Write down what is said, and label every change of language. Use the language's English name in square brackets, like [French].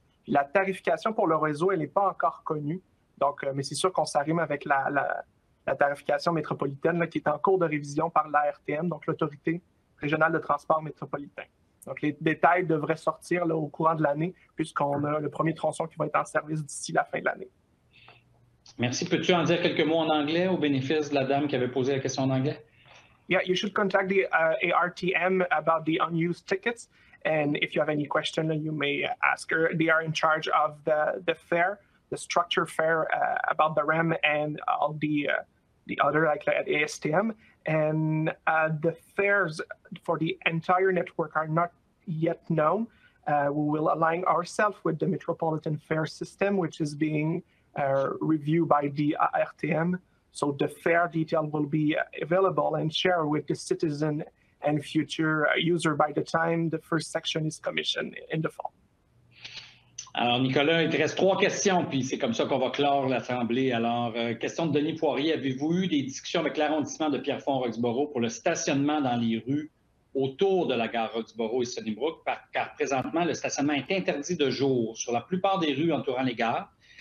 [French] Puis la tarification pour le réseau, elle n'est pas encore connue. Donc, mais c'est sûr qu'on s'arrime avec la tarification métropolitaine là, qui est en cours de révision par la RTM, donc l'Autorité régionale de transport métropolitain. Donc, les détails devraient sortir là, au courant de l'année puisqu'on a le premier tronçon qui va être en service d'ici la fin de l'année. Merci. Peux-tu en dire quelques mots en anglais au bénéfice de la dame qui avait posé la question en anglais? [English] Yeah, you should contact the ARTM about the unused tickets. And if you have any question, you may ask her. They are in charge of the fare, the structure fare about the REM and all the other, like at ASTM. And the fares for the entire network are not yet known. We will align ourselves with the Metropolitan Fare System, which is being reviewed by the ARTM. So the fare detail will be available and shared with the citizen and future user by the time the first section is commissioned in the fall. [French] Alors, Nicolas, il te reste trois questions, puis c'est comme ça qu'on va clore l'Assemblée. Alors, question de Denis Poirier. Avez-vous eu des discussions avec l'arrondissement de Pierrefonds-Roxborough pour le stationnement dans les rues autour de la gare Roxborough et Sunnybrook, car présentement, le stationnement est interdit de jour sur la plupart des rues entourant les gares.